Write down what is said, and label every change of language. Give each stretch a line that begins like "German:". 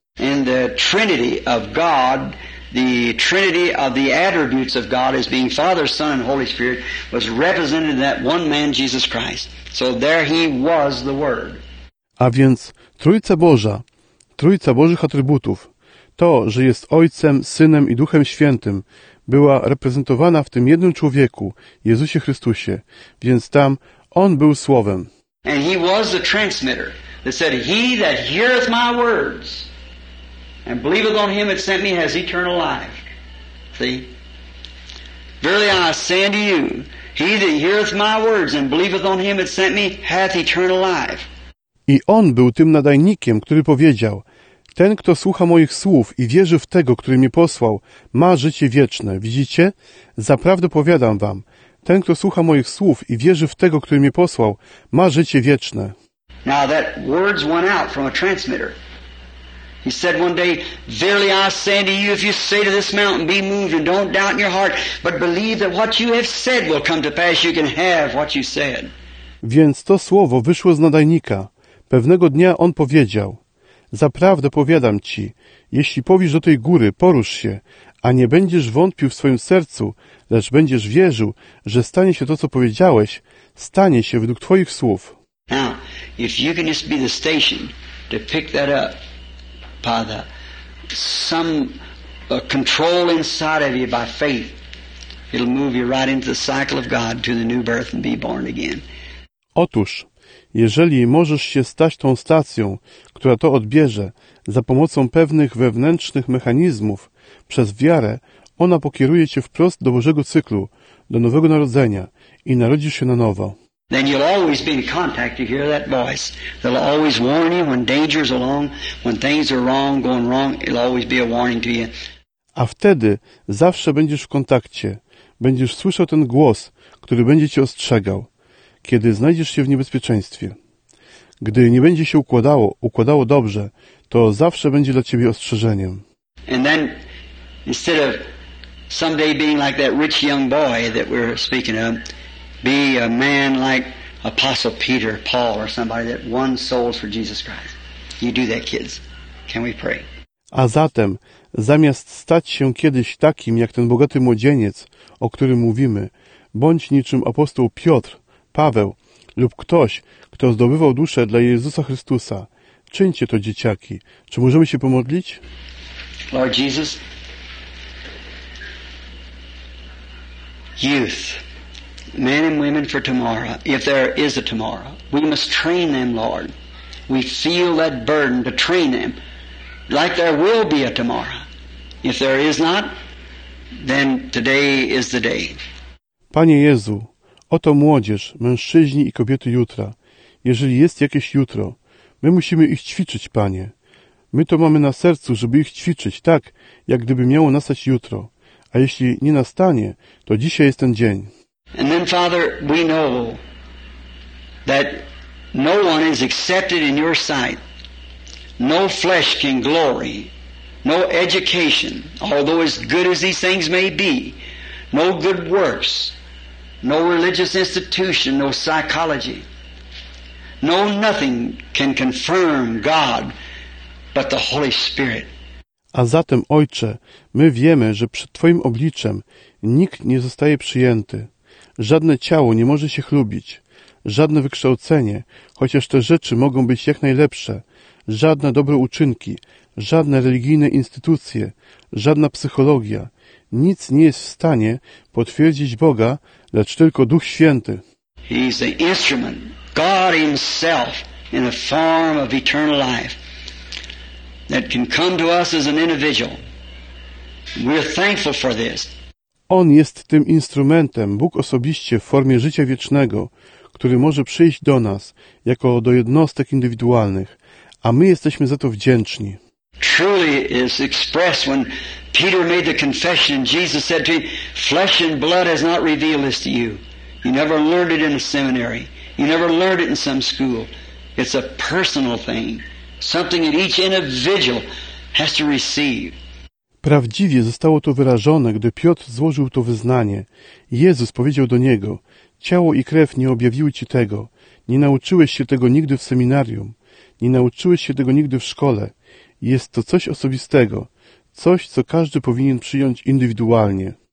English: And the Trinity of God, the Trinity of the attributes of God as being Father, Son, and Holy Spirit was represented in that one man, Jesus Christ. So there He was the Word.
Polish: A więc Trójca Boża, Trójca Bożych atrybutów, to, że jest Ojcem, Synem i Duchem Świętym, była reprezentowana w tym jednym człowieku, Jezusie Chrystusie, więc tam On był Słowem.
English: And He was the transmitter that said, He that heareth my words and believeth on Him that sent me has eternal life. See? Verily I say unto you, He that heareth my words and believeth on Him that sent me hath eternal life.
Polish: I On był tym nadajnikiem, który powiedział, ten, kto słucha moich słów i wierzy w Tego, który mnie posłał, ma życie wieczne. Widzicie? Zaprawdę powiadam wam, ten, kto słucha moich słów i wierzy w Tego, który mnie posłał, ma życie wieczne.
English: Now that words went out from a transmitter. He said one day, "Verily I say unto you, if you say to this mountain, be moved, and don't doubt in your heart, but believe that what you have said will come to pass, you can have what you said."
Polish: Więc to słowo wyszło z nadajnika. Pewnego dnia on powiedział: "Zaprawdę powiadam ci, jeśli powiesz do tej góry, porusz się, a nie będziesz wątpił w swoim sercu, lecz będziesz wierzył, że stanie się to, co powiedziałeś, stanie się według twoich słów."
English: Now, if you can just be the station to pick that up, Father, some control inside of you by faith, it'll move you right into the cycle of God, to the new birth and be born again.
Polish: Otóż, jeżeli możesz się stać tą stacją, która to odbierze, za pomocą pewnych wewnętrznych mechanizmów, przez wiarę, ona pokieruje cię wprost do Bożego cyklu, do nowego narodzenia i narodzisz się na nowo.
English: Then you'll always be in contact to hear that voice. They'll always warn you when danger's along, when things are wrong, going wrong, it'll always be a warning to you.
Polish: A wtedy zawsze będziesz w kontakcie. Będziesz słyszał ten głos, który będzie cię ostrzegał, kiedy znajdziesz się w niebezpieczeństwie. Gdy nie będzie się układało dobrze, to zawsze będzie dla ciebie ostrzeżeniem.
English: And then, instead of someday being like that rich young boy that we're speaking of, be a man like Apostle Peter, Paul, or somebody that won souls for Jesus Christ. You do that, kids. Can we pray?
Polish: A zatem, zamiast stać się kiedyś takim jak ten bogaty młodzieniec, o którym mówimy, bądź niczym apostoł Piotr, Paweł lub ktoś, kto zdobywał duszę dla Jezusa Chrystusa. Czyńcie to, dzieciaki. Czy możemy się pomodlić?
English: Lord Jesus, youth, men and women for tomorrow, if there is a tomorrow, we must train them, Lord. We feel that burden to train them, like there will be a tomorrow. If there is not, then today is the day.
Polish: Panie Jezu, oto młodzież, mężczyźni i kobiety jutra. Jeżeli jest jakieś jutro, my musimy ich ćwiczyć, Panie. My to mamy na sercu, żeby ich ćwiczyć, tak, jak gdyby miało nastać jutro. A jeśli nie nastanie, to dzisiaj jest ten dzień.
English: And then, Father, we know that no one is accepted in your sight. No flesh can glory. No education, although as good as these things may be, no good works, no religious institution, no psychology, no nothing can confirm God but the Holy Spirit.
Polish: A zatem, Ojcze, my wiemy, że przed Twoim obliczem nikt nie zostaje przyjęty. Żadne ciało nie może się chlubić, żadne wykształcenie, chociaż te rzeczy mogą być jak najlepsze, żadne dobre uczynki, żadne religijne instytucje, żadna psychologia. Nic nie jest w stanie potwierdzić Boga, lecz tylko Duch Święty.
English: He's the instrument, God himself, in a form of eternal life, that can come to us as an individual. We're thankful for this.
Polish: On jest tym instrumentem, Bóg osobiście w formie życia wiecznego, który może przyjść do nas jako do jednostek indywidualnych, a my jesteśmy za to wdzięczni.
English: Truly is expressed when Peter made the confession, Jesus said to him, "Flesh and blood has not revealed this to you. You never learned it in a seminary. You never learned it in some school. It's a personal thing, something that each individual has to receive."
Polish: Prawdziwie zostało to wyrażone, gdy Piotr złożył to wyznanie. Jezus powiedział do niego: "Ciało i krew nie objawiły ci tego. Nie nauczyłeś się tego nigdy w seminarium. Nie nauczyłeś się tego nigdy w szkole. Jest to coś osobistego. Coś, co każdy powinien przyjąć indywidualnie."